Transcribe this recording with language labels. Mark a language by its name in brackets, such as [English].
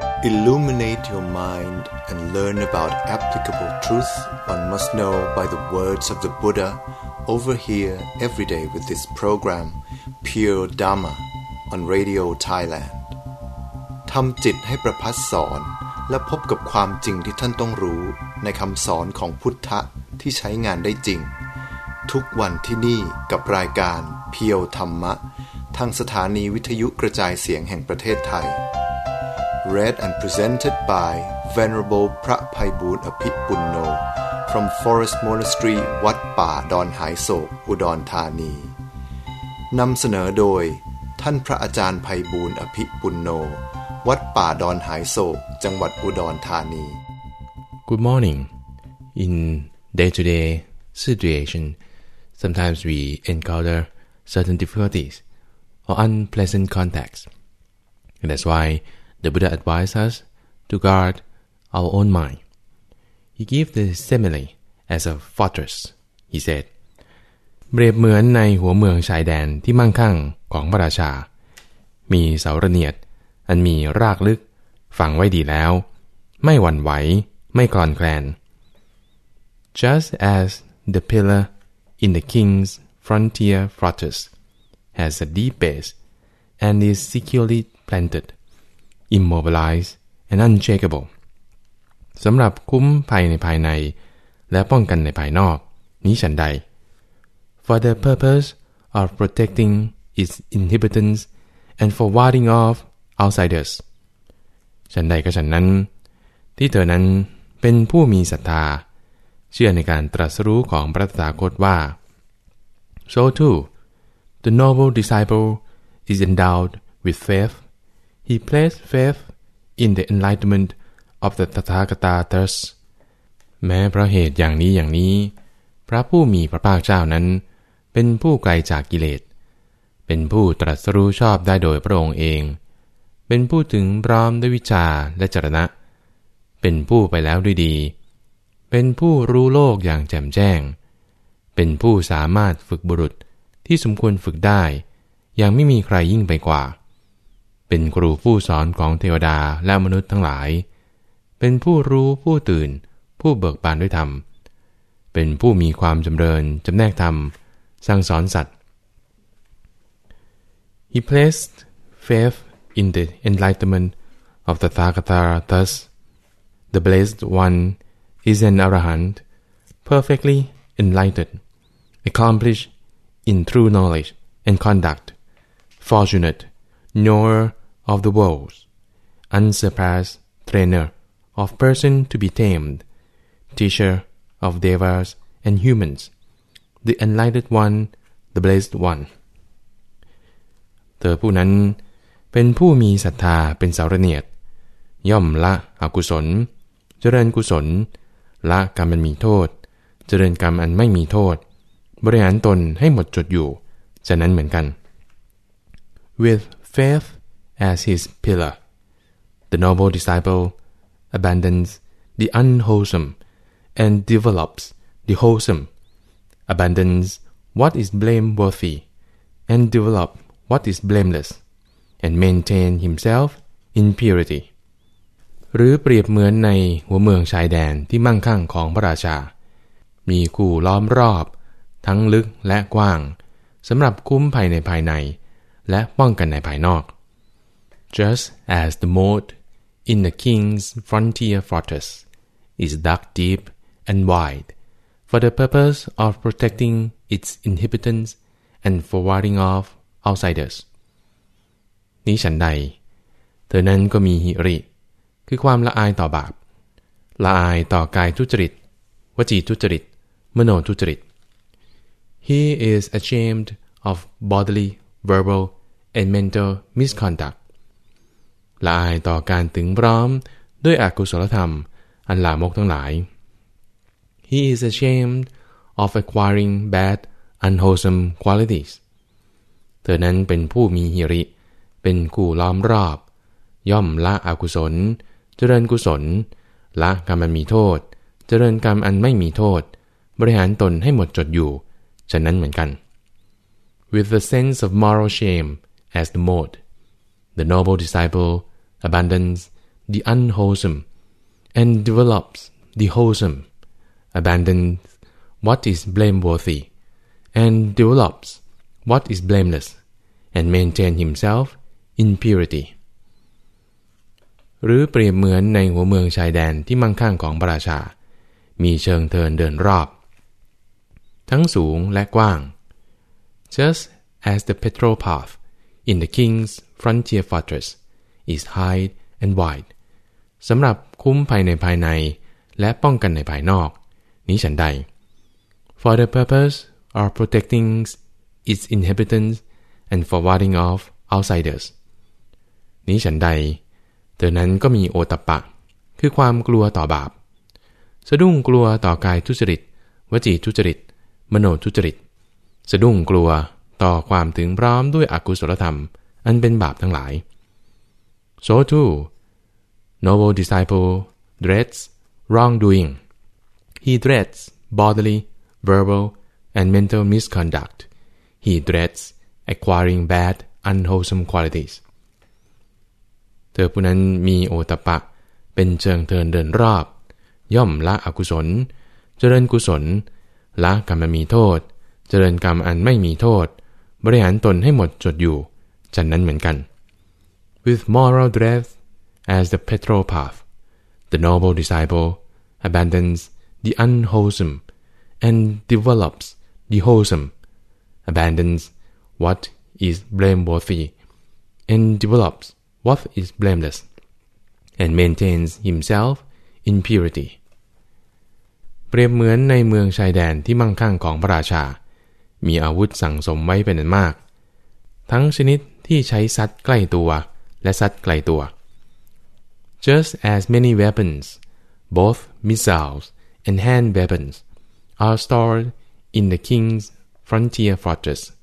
[English] Illuminate your mind and learn about applicable truth one must know by the words of the Buddha over here every day with this program, Pure Dharma, on Radio Thailand. [Thai] ทำจิตให้ประพัสสอนและพบกับความจริงที่ท่านต้องรู้ในคำสอนของพุทธะที่ใช้งานได้จริงทุกวันที่นี่กับรายการเพียวธรรมะทางสถานีวิทยุกระจายเสียงแห่งประเทศไทย [English] Read and presented by Venerable [Thai] พระไพบูลย์อภิปุณโญ [English] from Forest Monastery [Thai] วัดป่าดอนหายโศกอุดรธานีนำเสนอโดยท่านพระอาจารย์ไพบูลย์อภิปุณโญวัดป่าดอนหายโศกจังหวัดอุดรธานี [English] Good morning. In day-to-day situation, sometimes we encounter certain difficulties or unpleasant contacts. And that's why the Buddha advised us to guard our own mind. He gave the simile as a fortress. He said, [Thai] เปรียบเหมือนในหัวเมืองชายแดนที่มั่งคั่งของพระราชามีเสาระเนียดอันมีรากลึกฝังไว้ดีแล้วไม่หวั่นไหวไม่คลอนแคลน [English] Just as the pillar in the king's frontier fortress has a deep base and is securely planted, immobilized and unshakable. [Thai] สำหรับคุ้มภัยในภายในและป้องกันในภายนอกนี้ฉันใด [English] For the purpose of protecting its inhabitants and for warding off outsiders. [Thai] ฉันใดก็ฉันนั้นที่เธอนั้นเป็นผู้มีศรัทธาเชื่อในการตรัสรู้ของพระตถาคตว่า [English] So too, the noble disciple is endowed with faith. He placed faith in the enlightenment of the Tathagata thus. [Thai] แม้เพราะเหตุอย่างนี้อย่างนี้พระผู้มีพระภาคเจ้านั้นเป็นผู้ไกลจากกิเลสเป็นผู้ตรัสรู้ชอบได้โดยพระองค์เองเป็นผู้ถึงพร้อมด้วยวิชาและจรณะเป็นผู้ไปแล้วด้วยดีเป็นผู้รู้โลกอย่างแจ่มแจ้งเป็นผู้สามารถฝึกบุรุษที่สมควรฝึกได้อย่างไม่มีใครยิ่งไปกว่า เป็นครูผู้สอนของเทวดาและมนุษย์ทั้งหลายเป็นผู้รู้ผู้ตื่นผู้เบิกบานด้วยธรรมเป็นผู้มีความจำเริญจำแนกธรรมสั่งสอนสัตว์ [English] He placed faith in the enlightenment of the Tathagata thus the blessed oneis an arahant, perfectly enlightened, accomplished in true knowledge and conduct, fortunate, knower of the worlds, unsurpassed trainer of person to be tamed, teacher of devas and humans, the enlightened one, the blessed one. [Thai] เธอผู้นั้นเป็นผู้มีศรัทธาเป็นสารเนียดย่อมละอกุศลเจริญกุศลละกรรมอันมีโทษเจริญกรรมอันไม่มีโทษบริหารตนให้หมดจดอยู่ฉะนั้นเหมือนกัน [English] With faith as his pillar, the noble disciple abandons the unwholesome and develops the wholesome, abandons what is blameworthy and develop what is blameless, and maintain himself in purity. [Thai] หรือเปรียบเหมือนในหัวเมืองชายแดนที่มั่งคั่งของพระราชามีคู่ล้อมรอบทั้งลึกและกว้างสำหรับคุ้มภัยในภายในและป้องกันในภายนอก [English] Just as the moat in the king's frontier fortress is dug deep and wide for the purpose of protecting its inhabitants and for warding off outsiders [Thai] นี้ฉันใดเธอนั้นก็มีหิริคือความละอายต่อบาปละอายต่อกายทุจริตวจีทุจริตมโนทุจริต [English] He is ashamed of bodily, verbal, and mental misconduct. [Thai] ละอายต่อการถึงพร้อมด้วยอกุศลธรรมอันลามกทั้งหลาย [English] He is ashamed of acquiring bad, unwholesome qualities. [Thai] เธอนั้นเป็นผู้มีหิริเป็นคู่ล้อมรอบย่อมละอกุศลเจริญกุศลละกรรมอันมีโทษเจริญกรรมอันไม่มีโทษบริหารตนให้หมดจดอยู่ฉะนั้นเหมือนกัน [English] With the sense of moral shame as the mode, the noble disciple abandons the unwholesome and develops the wholesome, abandons what is blameworthy and develops what is blameless, and maintains himself in purity. [Thai] หรือเปรียบเหมือนในหัวเมืองชายแดนที่มั่งคั่งของพระราชามีเชิงเทินเดินรอบทั้งสูงและกว้าง [English] Just as the patrol path in the king's frontier fortress is high and wide [Thai] สำหรับคุ้มภายในภายในและป้องกันในภายนอกนี้ฉันใด [English] For the purpose of protecting its inhabitants and for warding off outsiders [Thai] นี้ฉันใดเธอนั้นก็มีโอตัปปะคือความกลัวต่อบาปสะดุ้งกลัวต่อกายทุจริตวจีทุจริตมโนทุจริตสะดุ้งกลัวต่อความถึงพร้อมด้วยอกุศลธรรมอันเป็นบาปทั้งหลาย [English] So too, noble disciple dreads wrongdoing. He dreads bodily, verbal, and mental misconduct. He dreads acquiring bad, unwholesome qualities. [Thai] เธอผู้นั้นมีโอตัปปะเป็นเชิงเทินเดินรอบย่อมละอกุศลเจริญกุศลละกรรมมีโทษเจริญกรรมอันไม่มีโทษบริหารตนให้หมดจดอยู่ฉันนั้นเหมือนกัน [English] With moral dread as the petrol path the noble disciple abandons the unwholesome and develops the wholesome abandons what is blameworthy and developsWhat is blameless, and maintains himself in purity. [Thai] เปรียบเหมือนในเมืองชายแดนที่มั่งคั่งของพระราชามีอาวุธสั่งสมไว้เป็นอันมากทั้งชนิดที่ใช้ซัดใกล้ตัวและซัดไกลตัว [English] Just as many weapons, both missiles and hand weapons, are stored in the king's frontier fortress.